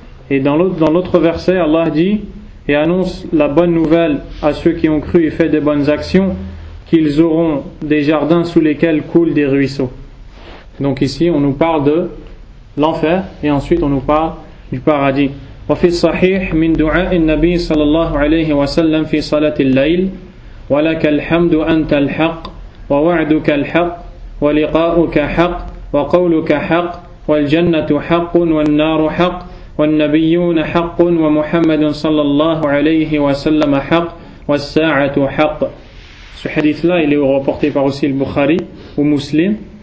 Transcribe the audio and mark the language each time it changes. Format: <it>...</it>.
<fr>Et dans l'autre verset, Allah dit et annonce la bonne nouvelle à ceux qui ont cru et fait de bonnes actions, qu'ils auront des jardins sous lesquels coulent des ruisseaux. Donc ici, on nous parle de l'enfer, et ensuite on nous parle du paradis.</fr> <ar>وفي الصحيح من دعاء النبي صلى الله عليه وسلم في صلاة الليل ولك الحمد أنت الحق ووعدك الحق ولقاؤك حق وقولك حق والجنة حق والنار حق والنبيون حق ومحمد صلى الله عليه وسلم حق والساعة حق.</ar> <fr>Ce hadith-là, il est rapporté par aussi le Bukhari ou Muslim.</fr>